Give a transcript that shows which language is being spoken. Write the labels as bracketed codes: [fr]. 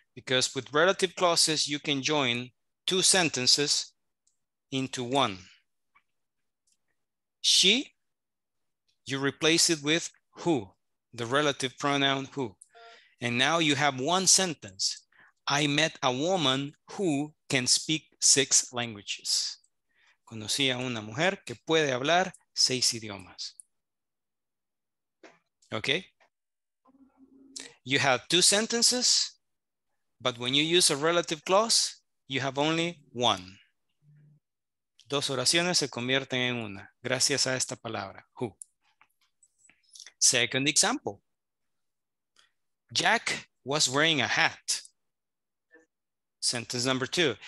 [en] Because with relative clauses, you can join two sentences into one. She, you replace it with who, the relative pronoun who. And now you have one sentence. I met a woman who can speak six languages. [es] Conocí a una mujer que puede hablar seis idiomas. [en] Okay? You have two sentences, but when you use a relative clause, you have only one. [es] Dos oraciones se convierten en una, gracias a esta palabra, who. [en] Second example. Jack was wearing a hat. Sentence number two.